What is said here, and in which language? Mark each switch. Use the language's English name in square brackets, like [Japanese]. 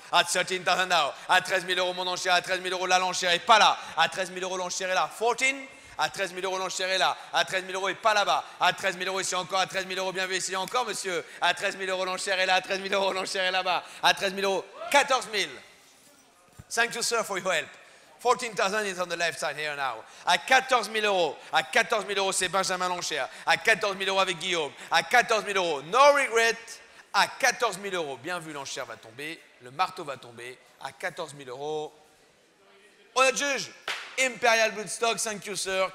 [English] At 13,000 now. [French] À 13,000 euros, mon enchère. À 13,000 euros, là, l'enchère est pas là. À 13,000 euros, l'enchère est là. 14. À 13,000 euros, l'enchère est là. À 13,000 euros, il n'est pas là-bas. À 13,000 euros, ici encore. À 13,000 euros, bien vu, ici encore, monsieur. À 13,000 euros, l'enchère est là. À 13,000 euros, l'enchère est là-bas. À 13,000 euros. 14,000. [English] Thank you, sir, for your help. 14,000 is on the left side here now. [French] À 14,000 euros. À 14,000 euros, c'est Benjamin l'enchère. À 14,000 euros avec Guillaume. À 14,000 euros. [English] No regret. [French] À 14,000 euros, bien vu, l'enchère va tomber, le marteau va tomber. À 14,000 euros, on a le juge. Imperial Bloodstock, [English] thank you, sir.